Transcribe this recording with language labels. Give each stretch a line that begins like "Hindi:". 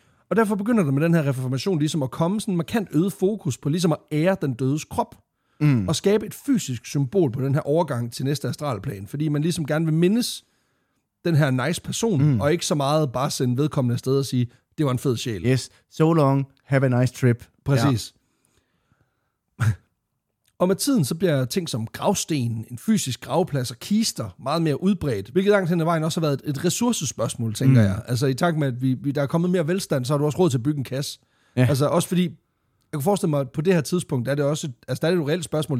Danish: Og derfor begynder der med den her reformation ligesom at komme sådan en markant øget fokus på ligesom at ære den dødes krop. Mm. Og skabe et fysisk symbol på den her overgang til næste astralplan. Fordi man ligesom gerne vil mindes den her nice person, og ikke så meget bare sende vedkommende afsted og sige, det var en fed sjæl.
English: Yes, so long, have a nice trip.
Danish: Præcis. Ja. Og med tiden, så bliver ting som gravsten, en fysisk gravplads og kister meget mere udbredt, hvilket langt hen ad vejen også har været et ressourcespørgsmål, tænker jeg. Altså i takt med, at vi der er kommet mere velstand, så har du også råd til at bygge en kasse. Ja. Altså også fordi, jeg kunne forestille mig, at på det her tidspunkt, er det også et reelt spørgsmål.